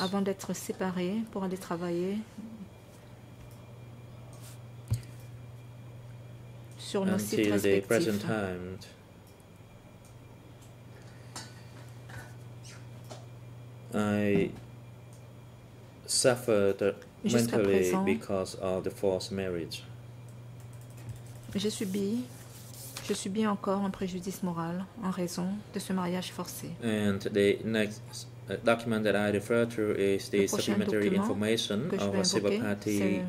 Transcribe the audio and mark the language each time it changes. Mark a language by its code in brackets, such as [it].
[fr] Avant d'être séparés pour aller travailler sur nos sites respectifs. [en] Until the present time, I suffered mentally because of the forced marriage. [fr] J'ai subi encore un préjudice moral en raison de ce mariage forcé. [en] And the next document that I refer to is the supplementary information of a civil party,